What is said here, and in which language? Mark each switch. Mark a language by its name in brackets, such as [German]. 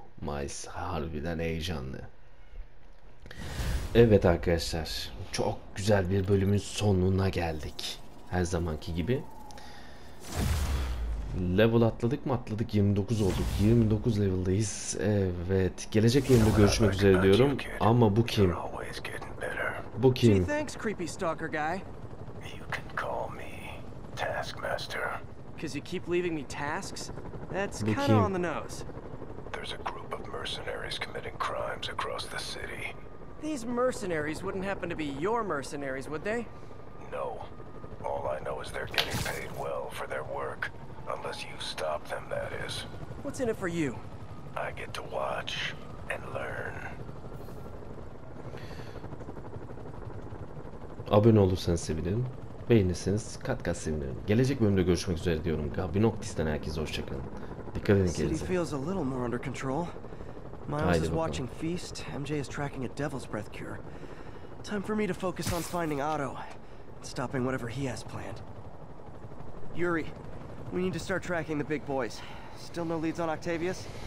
[Turkish] Miles harbiden heyecanlı. Evet arkadaşlar, çok güzel bir bölümün sonuna geldik. Her zamanki gibi. Level atladık mı? Atladık. 29 olduk. 29 level'dayız. Evet. Gelecek bölümde görüşmek üzere diyorum. Ama bu kim? Bu kim? [English] Gee, thanks, creepy stalker guy. You can call me Taskmaster. Because you keep leaving me tasks? That's kind of on the nose. There's a group of mercenaries committing crimes across the city. These mercenaries wouldn't happen to be your mercenaries, would they? No. All I know is they're getting paid well for their work. Unless you stop them, that is. What's in it for you? I get to watch and learn. [Turkish] Abone olursan sevinirim. Beğenirseniz kat kat sevinirim. Gelecek bölümde görüşmek üzere diyorum. Gabinoktis'ten herkese hoşçakalın. Dikkat edin kendinize. [English] City feels a little more under control. Miles is watching Feast. MJ is tracking a devil's breath cure. Time for me to focus on finding Otto and stopping whatever he has planned. Yuri, we need to start tracking the big boys. Still no leads on Octavius?